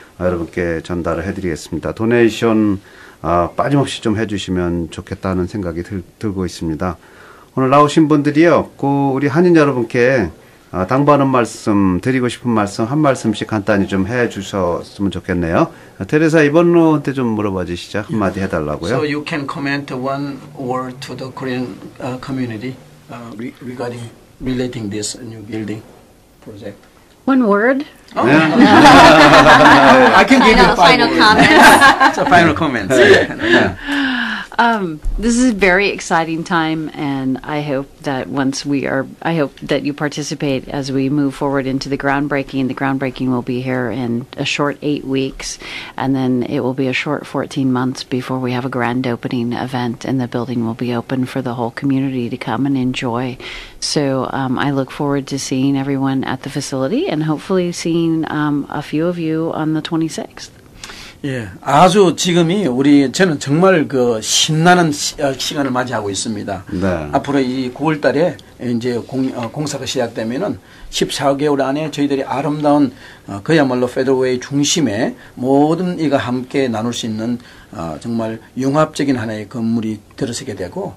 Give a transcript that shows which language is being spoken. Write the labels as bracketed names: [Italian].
[Korean] 여러분께 전달을 해드리겠습니다. 도네이션 빠짐없이 좀 해주시면 좋겠다는 생각이 들고 있습니다. 오늘 나오신 분들이요. 그 우리 한인 여러분께 당부하는 말씀 드리고 싶은 말씀 한 말씀씩 간단히 좀 해주셨으면 좋겠네요. 테레사 이번로한테 좀 물어봐 주시죠. 한마디 해달라고요. [English] So you can comment one word to the Korean community regarding relating this new building project. One word? Oh, yeah. I can give final, you final comments. So final comments. This is a very exciting time, and I hope that once we are, I hope that you participate as we move forward into the groundbreaking. The groundbreaking will be here in a short 8 weeks, and then it will be a short 14 months before we have a grand opening event, and the building will be open for the whole community to come and enjoy. So I look forward to seeing everyone at the facility and hopefully seeing a few of you on the 26th. [Korean] 예, 아주 지금이 우리 저는 정말 그 신나는 시간을 맞이하고 있습니다. 네. 앞으로 이 9월 달에 이제 공사가 시작되면은 14개월 안에 저희들이 아름다운 그야말로 페더웨이 중심에 모든 이가 함께 나눌 수 있는 정말 융합적인 하나의 건물이 들어서게 되고